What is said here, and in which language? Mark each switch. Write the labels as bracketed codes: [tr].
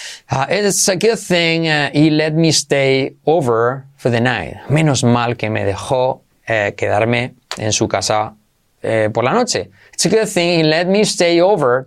[en] It's a good thing he let me stay over for the night. [es] Menos mal que me dejó quedarme en su casa por la noche. [en] It's a good thing he let me stay over.